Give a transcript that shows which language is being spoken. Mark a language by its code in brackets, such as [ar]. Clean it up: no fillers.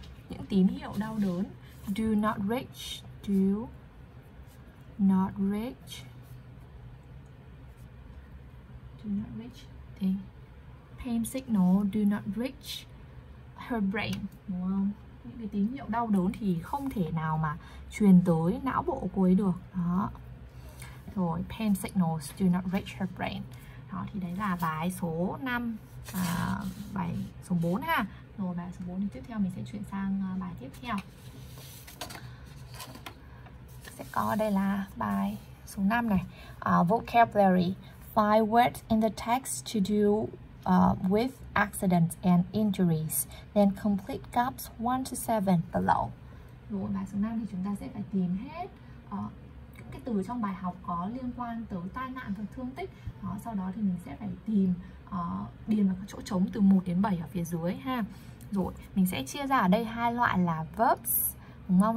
[vi] Những tín hiệu đau đớn. [en] Do not reach the pain signal, do not reach her brain, [vi] đúng không? Những cái tín hiệu đau đớn thì không thể nào mà truyền tới não bộ cô ấy được. Đó. Rồi, [en] pain signals do not reach her brain. [vi] Đó, thì đấy là bài số 5, bài số 4 ha. Rồi, bài số 4 thì tiếp theo mình sẽ chuyển sang bài tiếp theo. Sẽ có đây là bài số 5 này. Vocabulary. [en] Five words in the text to do with accidents and injuries. Then complete gaps 1 to 7 below. [vi] Rồi, bài số 5 thì chúng ta sẽ phải tìm hết những cái từ trong bài học có liên quan tới tai nạn và thương tích. Đó, sau đó thì mình sẽ phải tìm điền vào các chỗ trống từ 1 đến 7 ở phía dưới ha. Rồi, mình sẽ chia ra ở đây hai loại là verbs, đúng không?